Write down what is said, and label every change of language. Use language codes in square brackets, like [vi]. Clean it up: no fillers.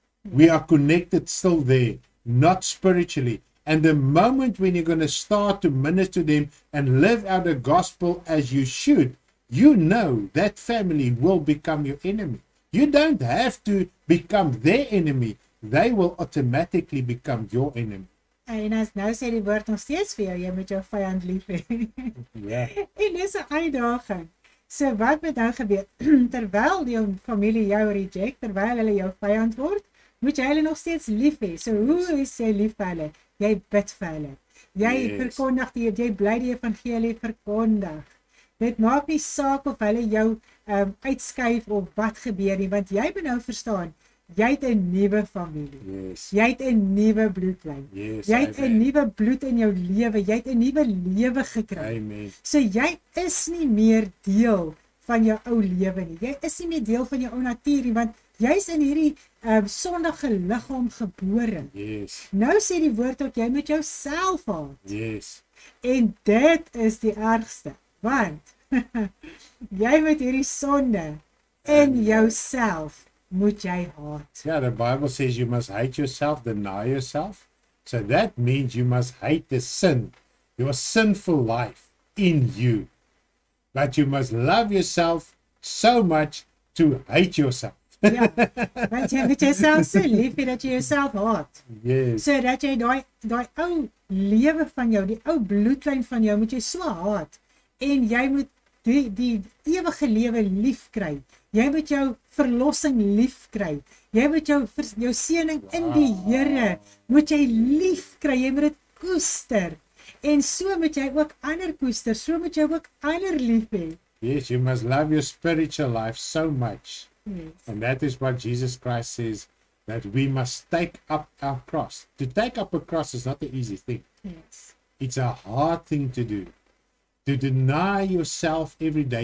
[en] We are connected still there, not spiritually. And the moment when you're going to start to minister to them and live out the gospel as you should, you know that family will become your enemy. You don't have to become their enemy. they will automatically become your enemy. [af] En as nou sê die woord nog steeds vir jou, jy moet jou vijand lief hê. [en] Yeah. [af] En dis 'n uitdaging. So wat moet dan gebeur? Terwyl die familie jou reject, terwyl hulle jou vijand word, moet jy hulle nog steeds lief hê. So hoe is jy lief vir hulle? Jy bid vir hulle. Jy verkondig die, jy bly die evangelie verkondig. Dit maak nie saak of hulle jou uitskuif of wat gebeur nie, want jy moet nou verstaan, jy het 'n nuwe familie. [en] Yes. [af] Jy het 'n nuwe bloedlyn. [en] Yes, [af] jy het 'n nuwe bloed in jou lewe. Jy het 'n nuwe lewe gekry. Amen. So jy is nie meer deel van jou ou lewe nie. Jy is nie meer deel van jou ou natuur nie, want jy's in hierdie sondige liggaam gebore. [en] Yes. [af] Nou sê die woord ook jy moet jouself haat. [en] Yes. [af] En dit is die ergste, want jy moet hierdie sonde in jouself moet jy haat. [en] Ja, the Bible says you must hate yourself, deny yourself. So that means you must hate the sin, your sinful life in you. But you must love yourself so much to hate yourself. [af] Ja, want jy moet jouself so lief hê dat jy jouself haat. [en] Yes. [af] So dat jy daai ou lewe van jou, die ou bloedlyn van jou, moet jy so haat. En jy moet die ewige lewe lief kry. Jy moet jou verlossing lief kry. Jy moet jou seëning wow. in die Here moet jy lief kry. Jy moet dit koester. En so moet jy ook ander koester. So moet jy ook ander lief hê. [en] Yes, you must love your spiritual life so much. Yes. And that is what Jesus Christ says, that we must take up our cross. To take up a cross is not an easy thing. Yes. It's a hard thing to do. To deny yourself every day.